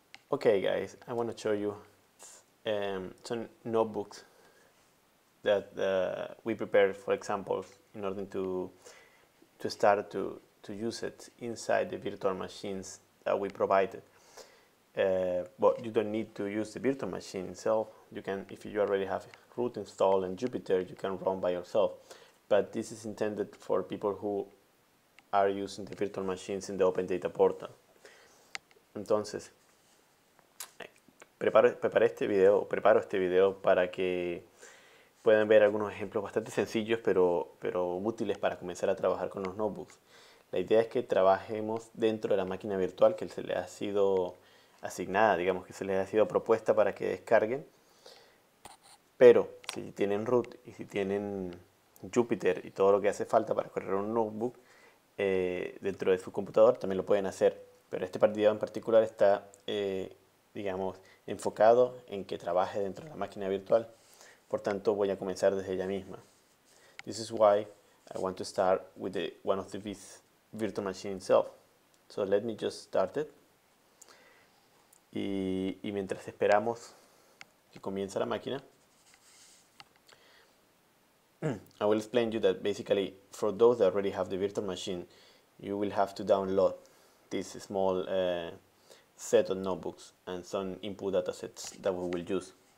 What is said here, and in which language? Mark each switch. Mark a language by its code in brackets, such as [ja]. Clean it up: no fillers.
[en] Okay, guys, I want to show you some notebooks that we prepared, for example, in order to start to use it inside the virtual machines that we provided. But you don't need to use the virtual machine itself. You can, if you already have root installed in Jupyter, you can run by yourself. But this is intended for people who are using the virtual machines in the Open Data Portal. [es] Entonces, preparo este video para que puedan ver algunos ejemplos bastante sencillos pero útiles para comenzar a trabajar con los notebooks. La idea es que trabajemos dentro de la máquina virtual que se le ha sido asignada, digamos que se les ha sido propuesta para que descarguen. Pero si tienen root y si tienen Jupyter y todo lo que hace falta para correr un notebook dentro de su computador, también lo pueden hacer. Pero este video en particular está digamos, enfocado en que trabaje dentro de la máquina virtual. Por tanto, voy a comenzar desde ella misma. [en] This is why I want to start with one of these virtual machines itself. So let me just start it. [es] Y mientras esperamos que comience la máquina, [en] I will explain to you that basically, for those that already have the virtual machine, you will have to download this small set of notebooks and some input datasets that we will use.